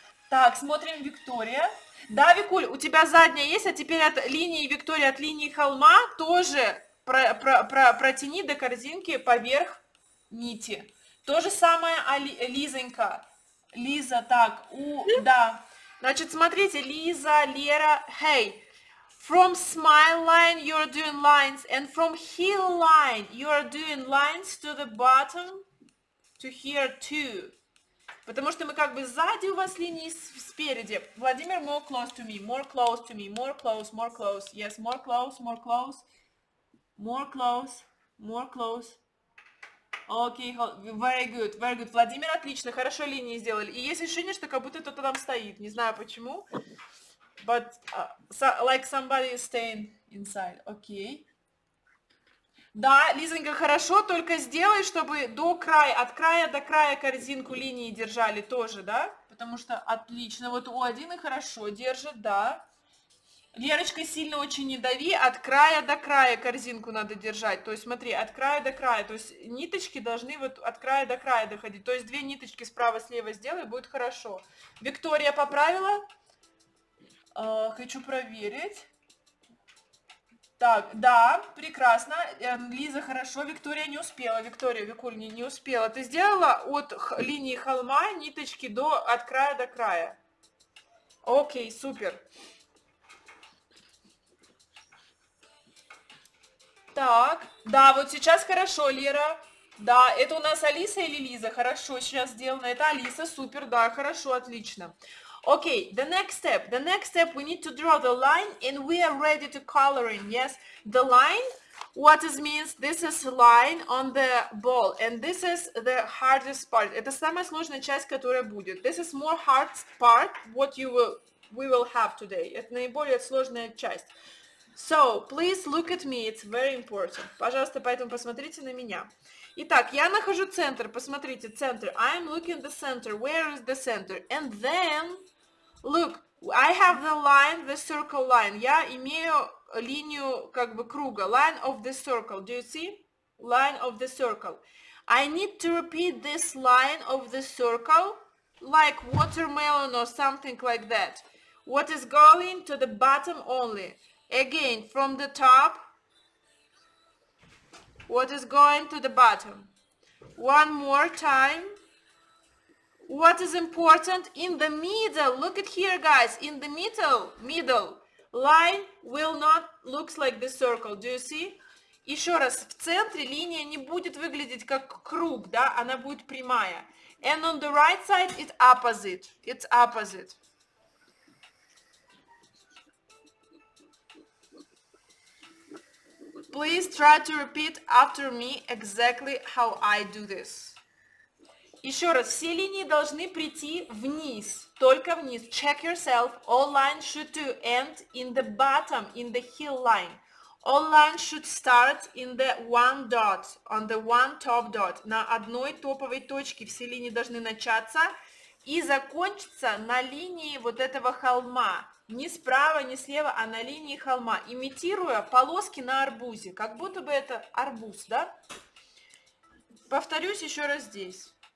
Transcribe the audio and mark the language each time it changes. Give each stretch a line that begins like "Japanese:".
Russian: Так, смотрим, Виктория. Да, Викуль, у тебя задняя есть, а теперь от линии Виктория, от линии холма тоже протяни до корзинки поверх нити. То же самое, Лизонька. Лиза, так, да. Значит, смотрите, Лиза, Лера, hey.
English: From smile line, you're doing lines, and from heel line, you're doing lines to the bottom, to here too.
Russian: Потому что мы как бы сзади у вас линии, спереди.
English: Владимир, more close to me, more close to me, more close, more close. Yes, more close, more close, more close, more close. Okay, very good, very good.
Russian: Владимир, отлично, хорошо линии сделали. И есть ощущение, что как будто кто-то там стоит, не знаю почему.
English: But so, like somebody is staying inside, okay.
Russian: Да, Лизонька, хорошо, только сделай, чтобы до края, от края до края корзинку линии держали тоже, да? Потому что отлично, вот у Адины хорошо держит, да. Лерочка, сильно очень не дави, от края до края корзинку надо держать. То есть смотри, от края до края, то есть ниточки должны вот от края до края доходить. То есть две ниточки справа-слева сделай, будет хорошо. Виктория поправила? Хочу проверить. Так, да, прекрасно. Лиза, хорошо. Виктория не успела. Виктория, Викуль, не успела. Ты сделала от линии холма ниточки до от края до края. Окей, супер. Так, да, вот сейчас хорошо, Лера. Да, это у нас Алиса или Лиза? Хорошо, сейчас сделано. Это Алиса, супер, да, хорошо, отлично.
English: Окей, the next step. The next step, we need to draw the line, and we are ready to color in, yes? The line, what it means, this is line on the ball, and this is the hardest part.
Russian: Это самая сложная часть, которая будет.
English: This is more hard part, what you will, we will have today.
Russian: Это наиболее сложная часть.
English: So, please look at me, it's very important.
Russian: Пожалуйста, поэтому посмотрите на меня. Итак, я нахожу центр, посмотрите, центр.
English: I'm looking the center, where is the center? And then, look, I have the line, the circle line.
Russian: Я имею линию, как бы, круга,
English: line of the circle. Do you see? Line of the circle. I need to repeat this line of the circle, like watermelon or something like that. What is going to the bottom only? Again, from the top, what is going to the bottom? One more time. What is important? In the middle, look at here, guys. In the middle, line will not look like the circle. Do you see?
Russian: Еще раз, в центре линия не будет выглядеть как круг, да? Она будет прямая.
English: And on the right side, it's opposite. It's opposite. Please try to repeat after me exactly how I do this.
Russian: Еще раз, все линии должны прийти вниз, только вниз.
English: Check yourself, all lines should to end in the bottom, in the heel line. All lines should start in the one dot, on the one top dot.
Russian: На одной топовой точке все линии должны начаться и закончиться на линии вот этого холма. Ни справа, ни слева, а на линии холма, имитируя полоски на арбузе, как будто бы это арбуз, да? Повторюсь еще раз здесь.